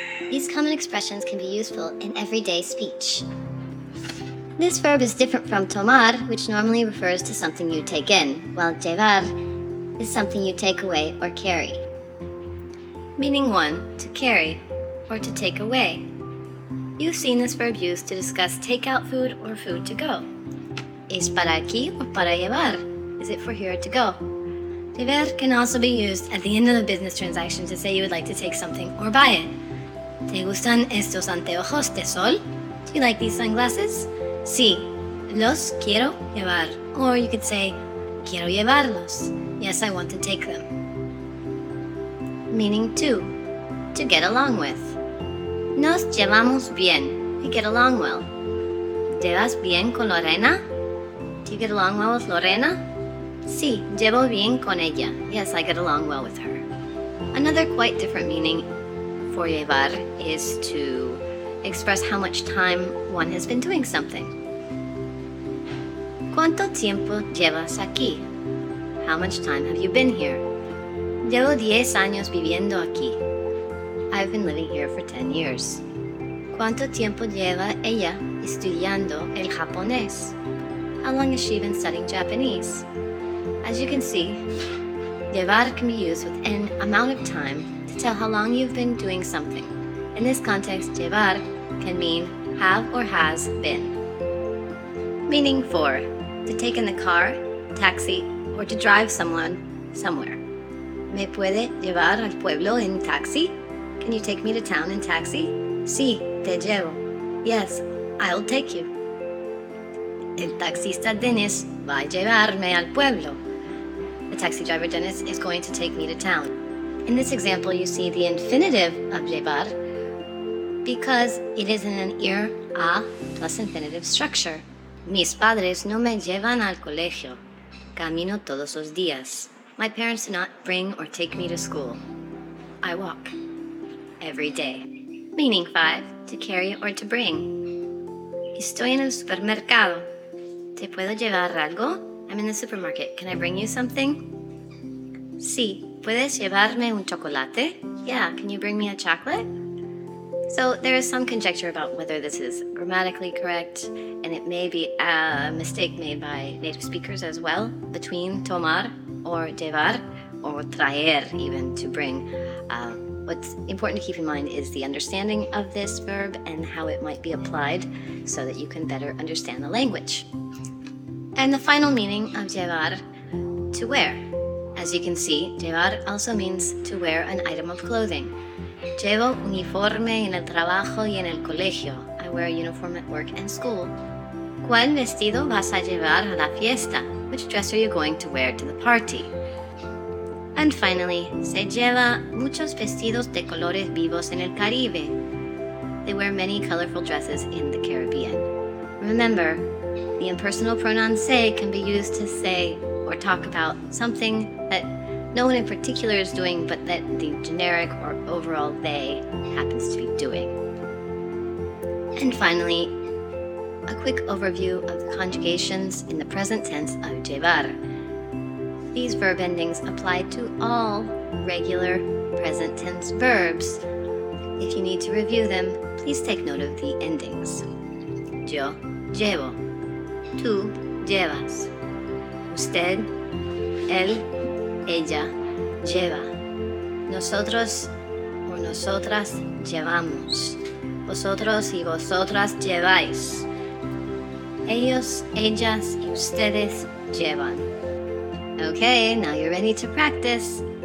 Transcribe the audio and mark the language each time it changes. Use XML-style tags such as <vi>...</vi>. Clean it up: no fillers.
<en>These common expressions can be useful in everyday speech. This verb is different from tomar, which normally refers to something you take in, while llevar is something you take away or carry. Meaning 1, to carry, or to take away. You've seen this verb used to discuss takeout food or food to go.</en> <es>¿Es para aquí o para llevar?</es> <en>Is it for here or to go? Llevar can also be used at the end of a business transaction to say you would like to take something or buy it.</en> <es>¿Te gustan estos anteojos de sol?</es> <en>Do you like these sunglasses?</en> <es>Sí, los quiero llevar.</es> <en>Or you could say,</en> <es>quiero llevarlos.</es> <en>Yes, I want to take them. Meaning 2, to get along with.</en> <es>Nos llevamos bien.</es> <en>We get along well.</en> <es>¿Te vas bien con Lorena?</es> <en>Do you get along well with Lorena?</en> <es>Sí, llevo bien con ella.</es> <en>Yes, I get along well with her. Another quite different meaning for llevar is to express how much time one has been doing something.</en> <es>¿Cuánto tiempo llevas aquí?</es> <en>How much time have you been here?</en> <es>Llevo 10 años viviendo aquí.</es> <en>I've been living here for 10 years.</en> <es>¿Cuánto tiempo lleva ella estudiando el japonés?</es> <en>How long has she been studying Japanese? As you can see, llevar can be used with an amount of time to tell how long you've been doing something. In this context, llevar can mean have or has been. Meaning 4, to take in the car, taxi, or to drive someone somewhere.</en> <es>¿Me puede llevar al pueblo en taxi?</es> <en>Can you take me to town in taxi?</en> <es>Sí, te llevo.</es> <en>Yes, I'll take you.</en> <es>El taxista Dennis va a llevarme al pueblo.</es> <en>The taxi driver Dennis is going to take me to town. In this example, you see the infinitive of llevar because it is in an ir a plus infinitive structure.</en> <es>Mis padres no me llevan al colegio. Camino todos los días.</es> <en>My parents do not bring or take me to school. I walk every day. Meaning 5, to carry or to bring.</en> <es>Estoy en el supermercado. ¿Te puedo llevar algo?</es> <en>I'm in the supermarket. Can I bring you something?</en> <es>Sí, ¿puedes llevarme un chocolate?</es> <en>Yeah, can you bring me a chocolate? So there is some conjecture about whether this is grammatically correct, and it may be a mistake made by native speakers as well, between tomar or llevar, or traer even, to bring. What's important to keep in mind is the understanding of this verb and how it might be applied so that you can better understand the language. And the final meaning of llevar, to wear. As you can see, llevar also means to wear an item of clothing.</en> <es>Llevo uniforme en el trabajo y en el colegio.</es> <en>I wear a uniform at work and school.</en> <es>¿Cuál vestido vas a llevar a la fiesta?</es> <en>Which dress are you going to wear to the party? And finally,</en> <es>se lleva muchos vestidos de colores vivos en el Caribe.</es> <en>They wear many colorful dresses in the Caribbean. Remember, the impersonal pronoun se can be used to say or talk about something that no one in particular is doing, but that the generic or overall they happens to be doing. And finally, a quick overview of the conjugations in the present tense of llevar. These verb endings apply to all regular present tense verbs. If you need to review them, please take note of the endings.</en> <es>Yo llevo. Tú llevas. Usted, él, ella, lleva. Nosotros o nosotras llevamos. Vosotros y vosotras lleváis. Ellos, ellas y ustedes llevan.</es> <en>Okay, now you're ready to practice.</en>